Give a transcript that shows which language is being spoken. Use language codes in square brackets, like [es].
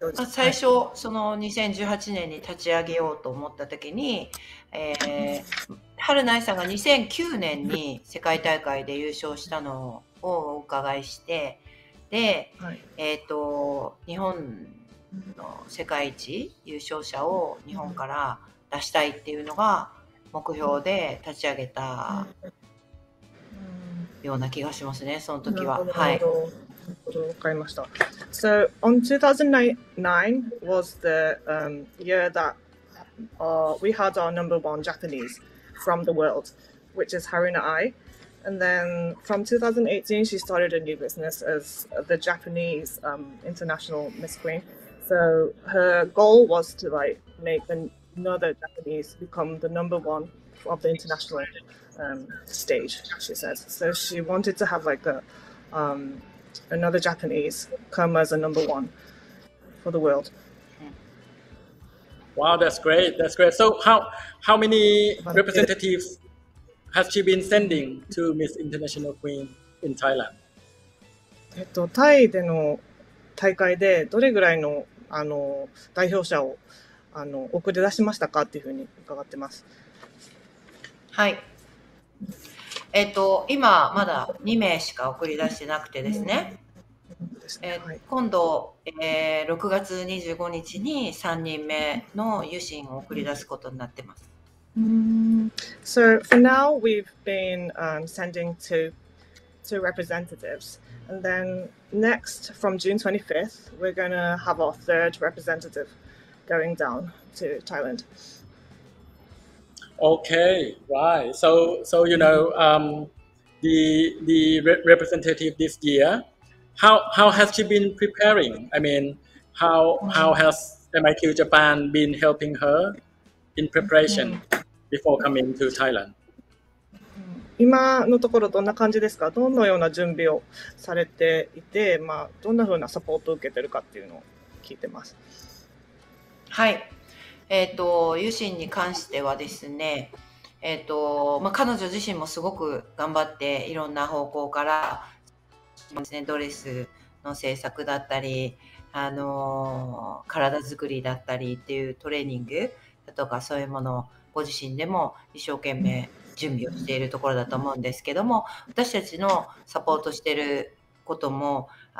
[ja] 最初その2018年に立ち上げようと思った時に、春奈さんが2009年に世界大会で優勝したのをお伺いして、で、はい、日本の世界一優勝者を日本から出したいっていうのが目標で立ち上げたような気がしますね、その時は。はい、わかりました。 [en] So on 2009 was the year that we had our number one Japanese from the world, which is Haruna Ai. And then from 2018 she started a new business as the Japanese international Miss Queen. So her goal was to like make another Japanese become the number one of the international stage, she says. So she wanted to have like another Japanese come as a number one for the world. Wow, that's great. That's great. So how many representatives has she been sending to Miss International Queen in Thailand? [ja] タイでの大会でどれぐらい の代表者を送り出しましたかっていうふうに伺ってます。はい。今まだ2名しか送り出してなくてですね、今度、6月25日に3人目の油心を送り出すことになってます。 [en] So for now we've been sending two representatives, and then next from June 25th we're going to have our third representative going down to Thailand. Okay, right. So you know, the representative this yearHow has she been preparing? I mean, how has MIQ Japan been helping her in preparation before coming to Thailand? [ja] 今のところどんな感じですか？どのような準備をされていて、まあ、どんなふうなサポートを受けてるかっていうのを聞いてます。はい。ユシンに関してはですね、まあ、彼女自身もすごく頑張っていろんな方向からドレスの制作だったり、体作りだったりっていうトレーニングだとか、そういうものをご自身でも一生懸命準備をしているところだと思うんですけども、私たちのサポートしていることも、